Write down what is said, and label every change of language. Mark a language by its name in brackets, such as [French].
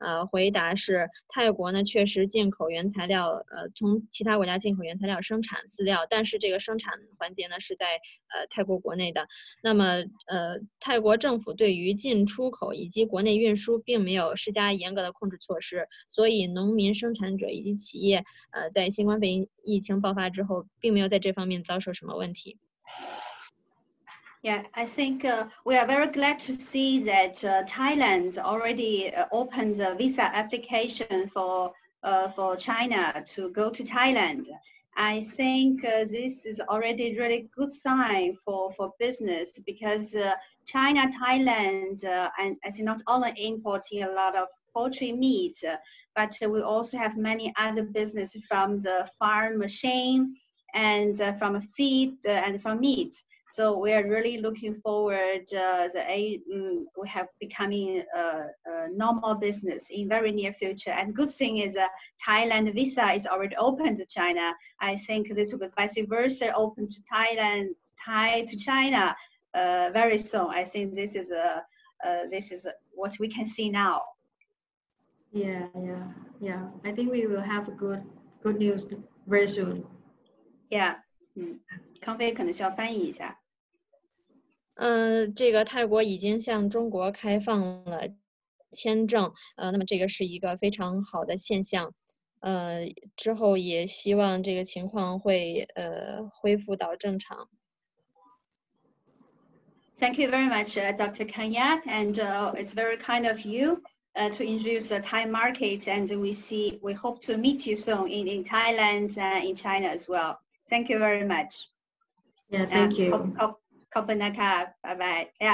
[Chinese] 回答是，泰国呢确实进口原材料，从其他国家进口原材料生产饲料，但是这个生产环节呢是在泰国国内的。那么泰国政府对于进出口以及国内运输并没有施加严格的控制措施，所以农民、生产者以及企业，在新冠肺炎疫情爆发之后，并没有在这方面遭受什么问题。 [English] Yeah, I think we are very glad to see that Thailand already opened the visa application for China to go to Thailand. I think this is already a really good sign for business because China, Thailand, and as you not only importing a lot of poultry meat, but we also have many other business from the farm machine and from feed and from meat. So we are really looking forward we have becoming a normal business in very near future. And good thing is Thailand visa is already open to China. I think this will be vice versa open to Thailand, Thai to China very soon. I think this is what we can see now. Yeah. I think we will have good news very soon. Yeah. [Chinese] 康飞可能需要翻译一下。这个泰国已经向中国开放了签证，那么这个是一个非常好的现象，之后也希望这个情况会恢复到正常。 [English] Thank you very much, Dr. Kanyat, and it's very kind of you to introduce the Thai market, and we hope to meet you soon in Thailand and in China as well. Thank you very much. Yeah, thank you. Kopanaka, bye-bye.